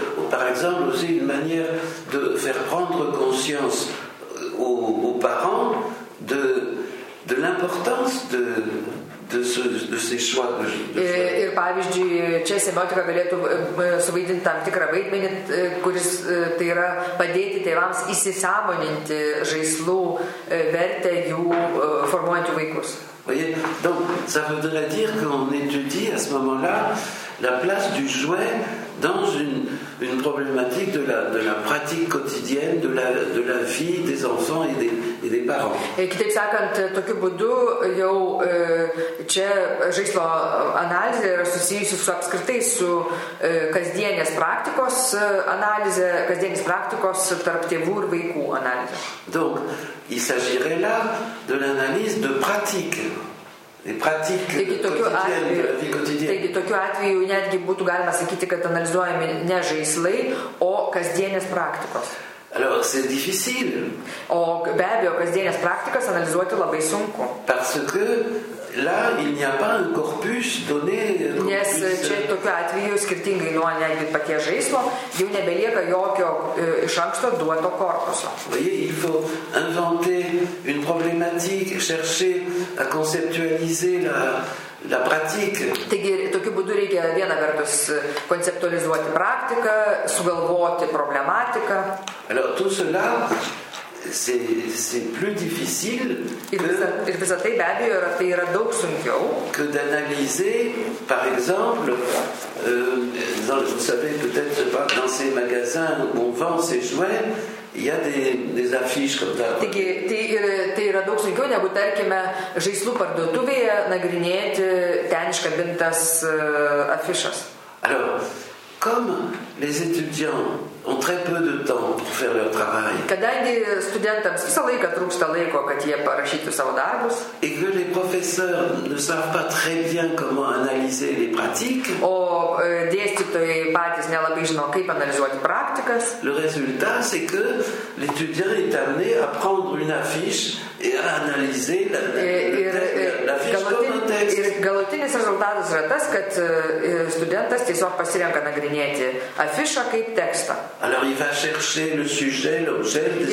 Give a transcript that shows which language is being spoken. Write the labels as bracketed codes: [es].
[fr] Par exemple, aussi une manière de faire prendre conscience aux parents de l'importance de ces choix que je fais. [lt] Ir pavyzdžiui, čia semiotika galėtų suvaidinti tam tikrą vaidmenį, kuris tai yra padėti tėvams įsisąmoninti žaislų vertę jų formuojant jų vaikus. [fr] Voyez, donc ça voudrait dire qu'on étudie à ce moment-là la place du jouet dans une problématique de la pratique quotidienne de la vie des enfants et des parents. [lt] Et kitaip sakant, tokiu būdu jau čia žaislo analizė yra susijusi su apskritai su kasdienės praktikos analizė, kasdienės praktikos tarp tėvų ir vaikų analizė. [fr] Donc, il s'agirait là de l'analyse de pratique. Les pratiques [lt] taigi, tokiu atveju netgi būtų galima sakyti, kad analizuojami ne žaislai, o kasdienės praktikos. [fr] Alors, c'est difficile. [lt] O be abejo, kasdienės praktikas analizuoti labai sunku. [fr] Parce que là, il n'y a pas un corpus donné. [lt] Nes čia tokiu atveju, skirtingai nuo netgi paties žaislo, jau nebelieka jokio iš anksto duoto korpuso. [fr] Voyez, il faut inventer une problématique, chercher à conceptualiser La pratique. [lt] Taigi, tokiu būdu reikia vieną vertus konceptualizuoti praktiką, sugalvoti problematiką. [fr] Alors, tout cela, c'est plus difficile [lt] ir visa tai be abejo yra, tai yra daug sunkiau [fr] que d'analyser, par exemple, vous savez peut-être pas, dans ces magasins où on vend ces jouets, il y a des affiches comme ça. [lt] Taigi, tai yra daug sunkiau negu, tarkime, žaislų parduotuvėje nagrinėti ten iškabintas afišas. [fr] Alors, comme les étudiants ont très peu de temps pour faire leur travail. [lt] Kadangi studentams visą laiką trūksta laiko, kad jie parašytų savo darbus. [fr] Et que les professeurs ne savent pas très bien comment analyser les pratiques. [lt] O dėstytojai patys nelabai žino, kaip analizuoti praktikas. [fr] Le résultat, c'est que l'étudiant est amené à prendre une affiche et à analyser l'affiche comme un texte. [lt] Ir galutinis rezultatas yra tas, kad studentas tiesiog pasirenka nagrinėti afišą kaip tekstą. [fr] Alors il va chercher le sujet, l'objet,